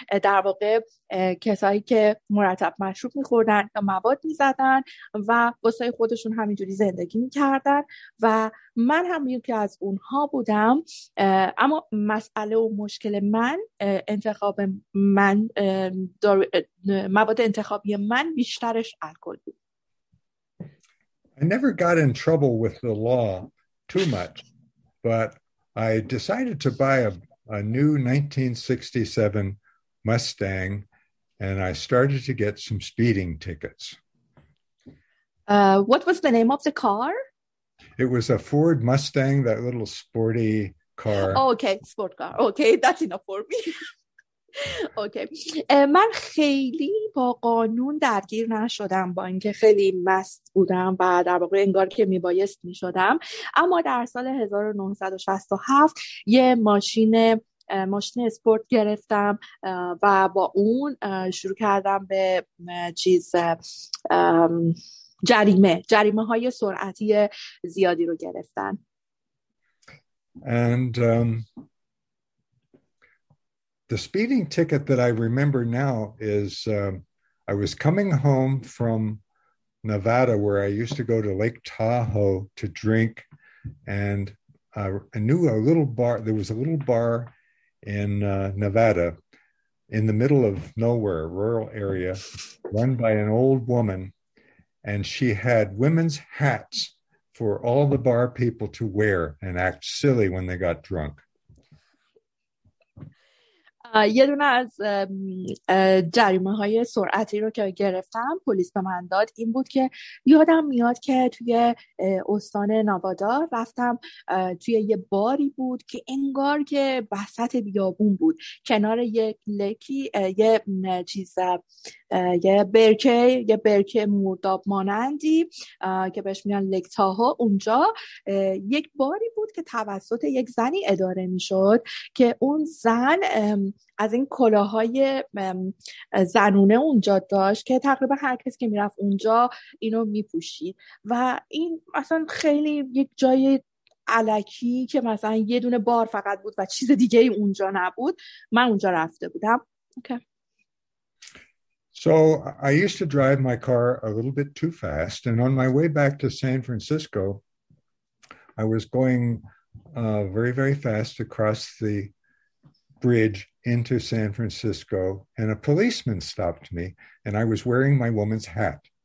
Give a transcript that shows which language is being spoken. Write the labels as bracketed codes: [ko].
[fa] در واقع کسایی که مرتب مشروب می‌خوردن یا مواد می‌زدن و واسه خودشون همینجوری زندگی می‌کردن و من هم یکی از اونها بودم. اما مسئله و مشکل من انتخاب من مواد انتخابی من بیشترش الکل بود. [en] I never got in trouble with the law too much, but I decided to buy a new 1967 Mustang and I started to get some speeding tickets. What was the name of the car? It was a Ford Mustang, that little sporty car. Oh, okay, sport car. Okay, that's enough for me. [fa] اوکی من خیلی با قانون درگیر نشدم با اینکه خیلی مست بودم و در واقع انگار که میبایست میشدم اما در سال 1967 یه ماشین اسپورت گرفتم و با اون شروع کردم به چیز جریمه های سرعتی زیادی رو گرفتن. [en] And the speeding ticket that I remember now is I was coming home from Nevada where I used to go to Lake Tahoe to drink and I knew a little bar. There was a little bar in Nevada in the middle of nowhere, rural area, run by an old woman. And she had women's hats for all the bar people to wear and act silly when they got drunk. [fa] یه دونه از جریمه های سرعتی رو که گرفتم پلیس به من داد این بود که یادم میاد که توی استان نوادا رفتم توی یه باری بود که انگار که وسط بیابون بود کنار یک لکی یه چیز یه برکه مرداب مانندی که بهش میگن لکتاها. اونجا یک باری بود که توسط یک زنی اداره میشد که اون زن از این کلاهای زنونه اونجا داشت که تقریبا هر کسی که میرفت اونجا اینو میپوشید و این اصلا خیلی یک جای علکی که مثلا یه دونه بار فقط بود و چیز دیگه ای اونجا نبود من اونجا رفته بودم. [en] So I used to drive my car a little bit too fast, and on my way back to San Francisco, I was going very, very fast across the bridge into San Francisco, and a policeman stopped me, and I was wearing my woman's hat.